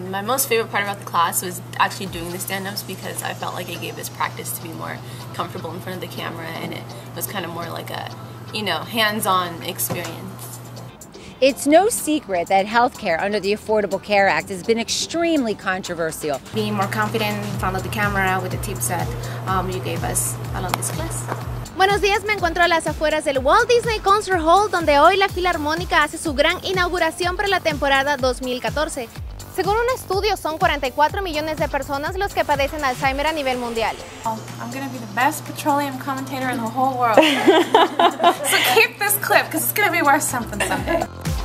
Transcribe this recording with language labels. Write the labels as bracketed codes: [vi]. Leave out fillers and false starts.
[en] My most favorite part about the class was actually doing the stand-ups, because I felt like it gave this practice to be more comfortable in front of the camera, and it was kind of more like a, you know, hands-on experience. It's no secret that healthcare under the Affordable Care Act has been extremely controversial. Being more confident in front of the camera with the tips that you gave us along this class. [es] Buenos días, me encuentro a las afueras del Walt Disney Concert Hall, donde hoy la Filarmónica hace su gran inauguración para la temporada 2014. Según un estudio, son 44 millones de personas los que padecen Alzheimer a nivel mundial. [en] Oh, I'm going to be the best petroleum commentator in the whole world. So keep this clip, because it's going to be worth something someday.